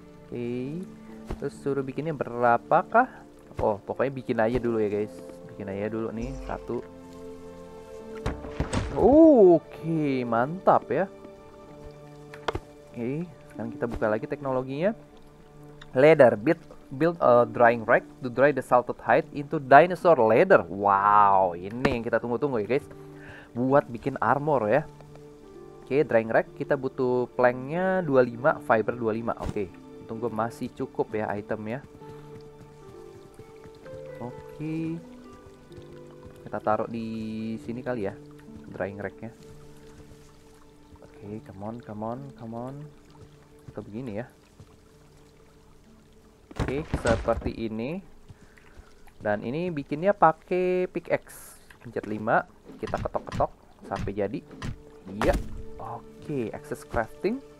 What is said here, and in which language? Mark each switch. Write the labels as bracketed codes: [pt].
[id] Oke. Terus suruh bikinnya berapakah? Oh, pokoknya bikin aja dulu ya guys. Bikin aja dulu nih, satu. Oke, mantap ya. Oke, sekarang kita buka lagi teknologinya. [en] Leather, build a drying rack to dry the salted hide into dinosaur leather. [id] Wow, ini yang kita tunggu-tunggu ya guys. Buat bikin armor ya. Oke, drying rack, kita butuh planknya 25, fiber 25. Oke, untung gue masih cukup ya itemnya. Oke, kita taruh di sini kali ya, drying racknya. Oke, [en] come on, come on, come on. [id] Atau begini ya. Oke, seperti ini. Dan ini bikinnya pakai pickaxe. Pencet 5, kita ketok-ketok sampai jadi. Iya, oke, access crafting.